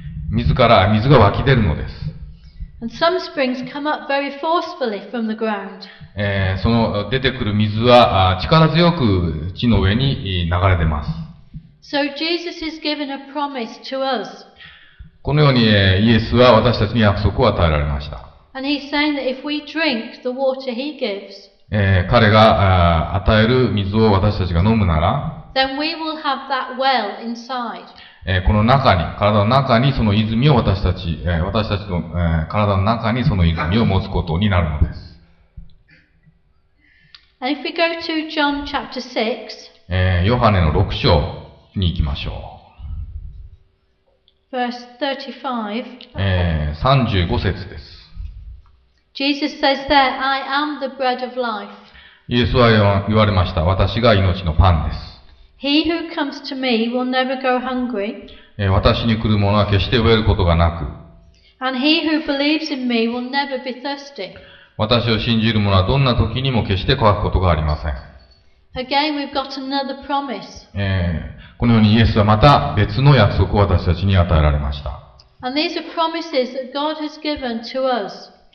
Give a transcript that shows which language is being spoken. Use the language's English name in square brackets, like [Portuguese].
[Japanese] 水から水が湧き出るのです。 [English] And some springs come up very forcefully from the ground. [Japanese] その出てくる水は力強く地の上に流れ出ます。 [English] So Jesus is giving a promise to us. [Japanese] このようにイエスは私たちに約束を与えられました。 [English] And he's saying that if we drink the water he gives, [Japanese] 彼が与える水を私たちが飲むなら、 [English] then we will have that well inside. [Japanese] この中に、体の中にその泉を私たち、私たちの体の中にその泉を持つことになるのです。 [English] And if we go to John chapter 6, [Japanese] ヨハネの6章に行きましょう。 [English] Verse 35. [Japanese] 35節です。 [English] Jesus says there, I am the bread of life. [Japanese] イエスは言われました。私が命のパンです。 [English] He who comes to me will never go hungry. [Japanese] 私に来る者は決して飢えることがなく。 [English] And he who believes in me will never be thirsty. [Japanese] 私を信じる者はどんな時にも決して渇くことがありません。 [English] Again, we've got another promise. [Japanese] このようにイエスはまた別の約束を私たちに与えられました。 [English] And these are promises that God has given to us.